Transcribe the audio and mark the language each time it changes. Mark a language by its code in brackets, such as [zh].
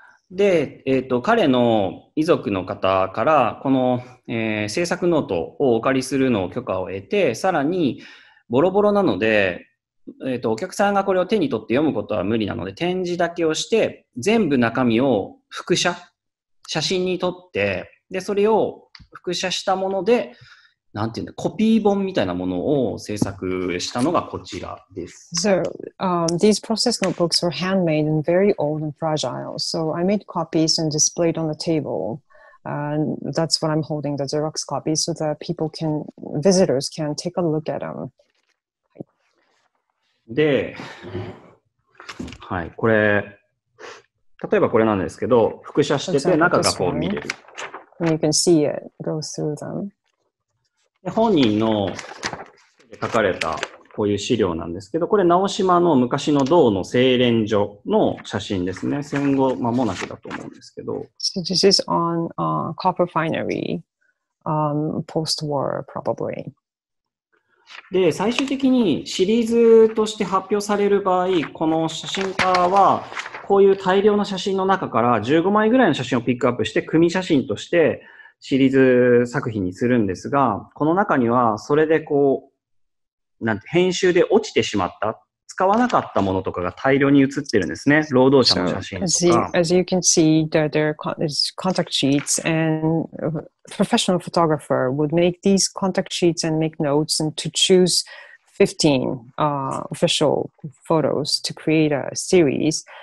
[ja] で、彼の遺族の方からこの、制作ノートをお借りするのを許可を得て、さらにボロボロなので、お客さんがこれを手に取って読むことは無理なので、展示だけをして全部中身を複写写真に撮って、でそれを複写したもので、なんていうんだ、コピー本みたいなものを制作したのがこちらです。 [en] So, these process notebooks were handmade and very old and fragile. So I made copies and displayed on the table. And that's what I'm holding, the Xerox copy, so that people can, visitors can take a look at them. [ja] で、はい、これ、例えばこれなんですけど、複写してて中がこう見れる。 [en] And you can see it go through them. [ja] 本人の書かれたこういう資料なんですけど、これ直島の昔の銅の精錬所の写真ですね。戦後間もなくだと思うんですけど。 [en] So this is on copper finery, post-war probably. [ja] で、最終的にシリーズとして発表される場合、この写真家はこういう大量の写真の中から15枚ぐらいの写真をピックアップして組写真としてシリーズ作品にするんですが、この中にはそれでこう、なんて、編集で落ちてしまった、使わなかったものとかが大量に写ってるんですね。労働者の写真とか。 [en] So, as you can see, there are contact sheets, and a professional photographer would make these contact sheets and make notes and to choose 15, official photos to create a series.